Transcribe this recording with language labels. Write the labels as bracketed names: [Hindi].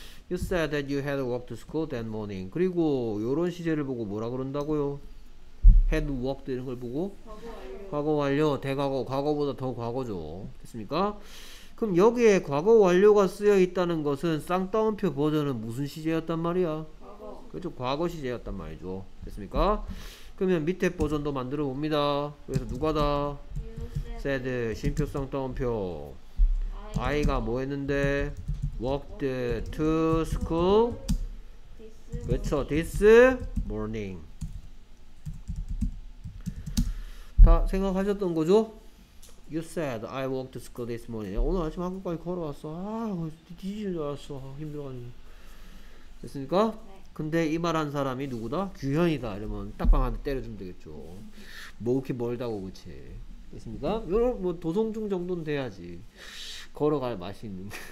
[English] You said that you had walked to school that morning. [Korean] 그리고 요런 시제를 보고 뭐라 그런다고요? [English] had walked [Korean] 이런 걸 보고 과거 완료 대과거 과거보다 더 과거죠. 됐습니까? 그럼 여기에 과거 완료가 쓰여 있다는 것은 쌍따옴표 버전은 무슨 시제였단 말이야? 과거. 그렇죠. 과거 시제였단 말이죠. 됐습니까? 그러면 밑에 버전도 만들어 봅니다. 그래서 누가다? [English] said [Korean] 쉼표 쌍따옴표 I가 뭐 했는데? [English] walked to school [Korean] 그렇죠. [English] this morning. [Korean] 다 생각하셨던 거죠? [English] You said I walked to school this morning. [Korean] 오늘 아침 학교까지 걸어왔어. 아, 뒤지는 줄 알았어. 아, 힘들어가지고. 됐습니까? 네. 근데 이 말한 사람이 누구다? 규현이다. 이러면 딱방한테 때려주면 되겠죠. 뭐 이렇게 멀다고 그치. 됐습니까? 요런 뭐 도송중 정도는 돼야지. 걸어갈 맛이 있는.